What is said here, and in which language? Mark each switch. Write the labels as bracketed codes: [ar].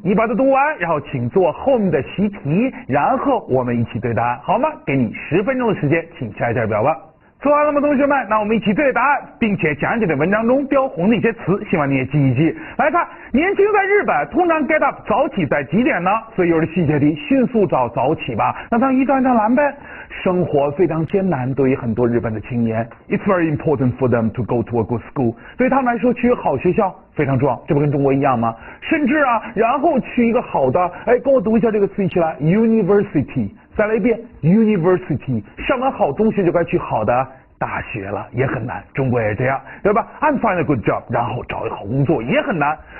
[zh] 你把它读完，然后请做后面的习题，然后我们一起对答案，好吗？给你十分钟的时间，请掐一下表吧。做完了吗，同学们？那我们一起对答案，并且讲解的文章中标红的一些词，希望你也记一记。来看，年轻在日本通常 get up 早起在几点呢？所以有了细节题，迅速找早起吧。那当一段一段拦呗。生活非常艰难，对于很多日本的青年 [en] ，It's very important for them to go to a good school。 [zh] 对他们来说，去好学校非常重要，这不跟中国一样吗？甚至啊，然后去一个好的，哎，跟我读一下这个词一起来 ，University。再来一遍 ，University。上完好中学就该去好的大学了，也很难。中国也这样，对吧 ？ [en] I'm find a good job， [zh] 然后找一个好工作也很难。